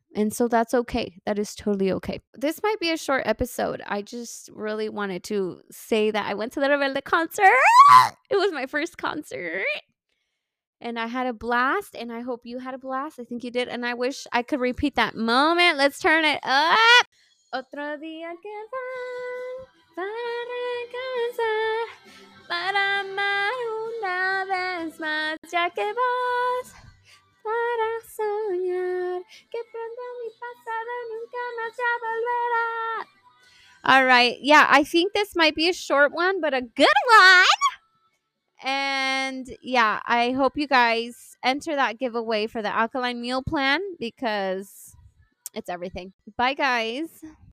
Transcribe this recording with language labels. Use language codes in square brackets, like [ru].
[en] And so that's okay. That is totally okay. This might be a short episode. I just really wanted to say that I went to the Rebelde concert. It was my first concert. And I had a blast, and I hope you had a blast. I think you did, and I wish I could repeat that moment. Let's turn it up. [es] Otro día que va para casa para amar una vez más. Ya que vas para soñar que pronto mi pasado nunca más ya volverá. [en] All right. Yeah, I think this might be a short one, but a good one. And yeah, I hope you guys enter that giveaway for the alkaline meal plan because it's everything. Bye, guys.